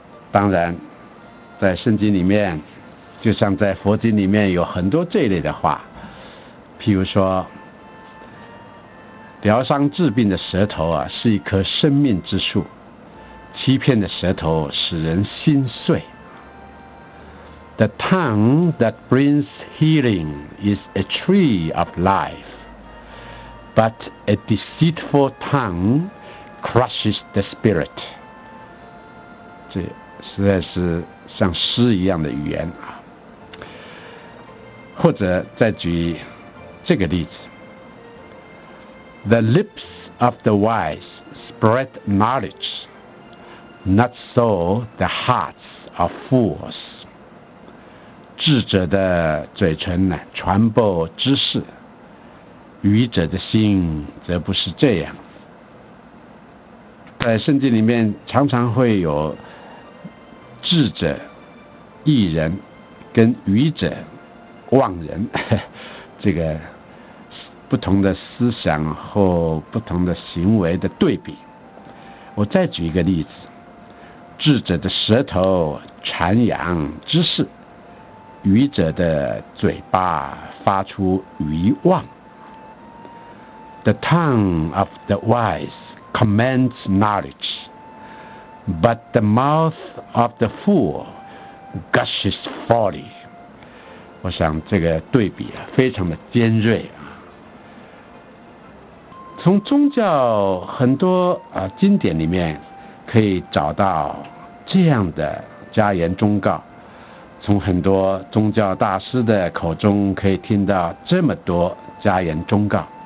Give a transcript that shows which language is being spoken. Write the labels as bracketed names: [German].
[Chinese] 当然在圣经里面就像在佛经里面有很多这类的话，譬如说疗伤治病的舌头啊，是一棵生命之树，欺骗的舌头使人心碎。 [English] The tongue that brings healing is a tree of life, but a deceitful tongue crushes the spirit. [Chinese] 这实在是像诗一样的语言啊。或者再举这个例子 [English] ：The lips of the wise spread knowledge, not so the hearts of fools. [Chinese] 智者的嘴唇呢传播知识，愚者的心则不是这样。在圣经里面常常会有智者异人跟愚者妄人这个不同的思想或不同的行为的对比。我再举一个例子，智者的舌头传扬知识，愚者的嘴巴发出愚妄。 [English] The tongue of the wise commands knowledge, but the mouth of the fool gushes folly. [Chinese] 我想这个对比啊，非常的尖锐啊。从宗教很多啊经典里面可以找到这样的家言忠告，从很多宗教大师的口中可以听到这么多家言忠告。